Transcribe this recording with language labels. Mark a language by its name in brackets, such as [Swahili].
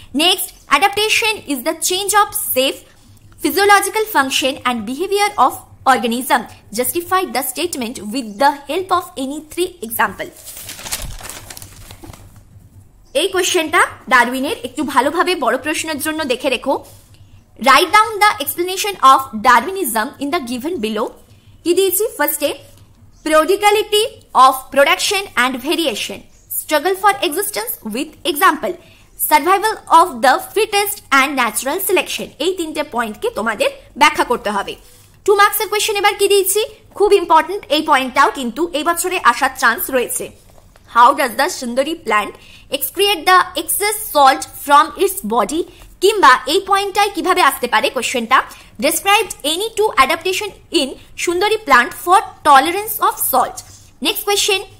[English] Next, adaptation is the change of safe physiological function and behaviour of organism, justify the statement with the help of any 3 example. [Bangla] এই কোয়েশ্চেনটা ডারউইনের একটু ভালোভাবে বড় প্রশ্নের জন্য দেখে রেখো। [English] Write down the explanation of Darwinism in the given below. First, prodigality of production and variation, struggle for existence with example, survival of the fittest and natural selection. [Bangla] এই তিনটে পয়েন্টকে তোমাদের ব্যাখ্যা করতে হবে। 2 মার্কসের কোয়েশ্চেন এবার কি দিয়েছি, খুব ইম্পর্টেন্ট এই পয়েন্টটাও কিন্তু এই বছরে আসার চান্স রয়েছে। [English] How does the sundari plant excrete the excess salt from its body. [Bangla] কিংবা এই পয়েন্টটাই কিভাবে আসতে পারে কোয়েশ্চেনটা, [English] Describe any 2 adaptation in sundari plant for tolerance of salt. Next question,